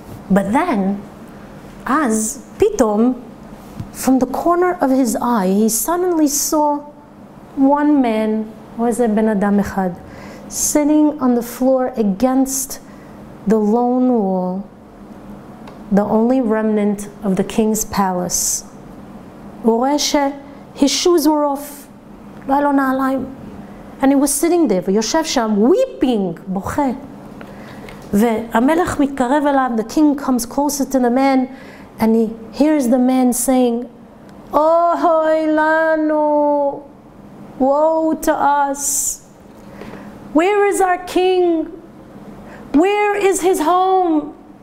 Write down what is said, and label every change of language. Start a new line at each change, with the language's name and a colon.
English: But then,
Hebrew: as pitom,
English: from the corner of his eye, he suddenly saw one man,
Hebrew: וזה בן אדם אחד,
English: sitting on the floor against the lone wall, the only remnant of the king's palace.
Hebrew: הוא רואה
English: שהיס שוז were off,
Hebrew: לא היה לו נעליים,
English: and he was sitting there,
Hebrew: ויושב שם,
English: weeping,
Hebrew: בוכה. והמלך מתקרב אליו,
English: the king comes closer to the man, and he hears the man saying,
Hebrew: אוי לנו,
English: woe to us. Where is our king? Where is his home?